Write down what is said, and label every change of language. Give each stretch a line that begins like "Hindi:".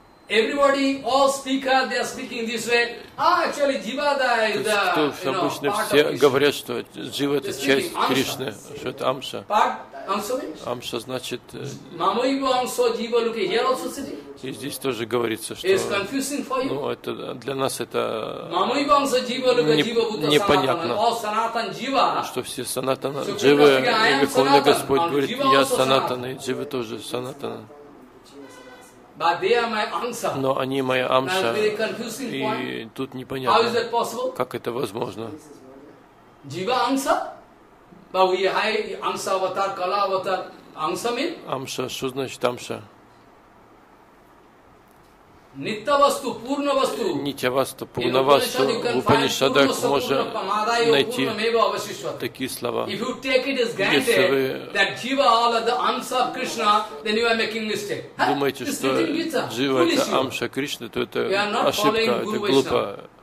English: Everybody, all speakers, they are speaking this way. Ah, actually, jiva is the, you know, part of Krishna.
Russian: Обычно все говорят, что jiva это часть Кришны, что это амша. Амша значит.
Sanskrit: Mamayiva amsa jiva luke.
English: Here also sitting.
Russian: И здесь тоже говорится, что.
English: It's confusing for you.
Russian: Ну, это для нас это.
Sanskrit: Mamayiva amsa jiva luke jiva bhuta sanatana.
English: All sanatan jiva.
Russian: Что все санатана дживы, и Верховный Господь говорит, я санатана, и дживы тоже санатана.
English: But they are my amsa.
Russian: Но они моя амша.
English: That's very confusing point.
Russian: И тут непонятно.
English: How is that possible?
Russian: Как это возможно?
Sanskrit: Jiva amsa.
English: But we have amsa avatar, kala avatar. Amsa mean?
Russian: Амша. Что значит амша? Нитьявасту, Пурнавасту, в Упанишадах можно найти такие слова. Если вы думаете, что Джива – это Амша Кришна, то это ошибка, это глупо.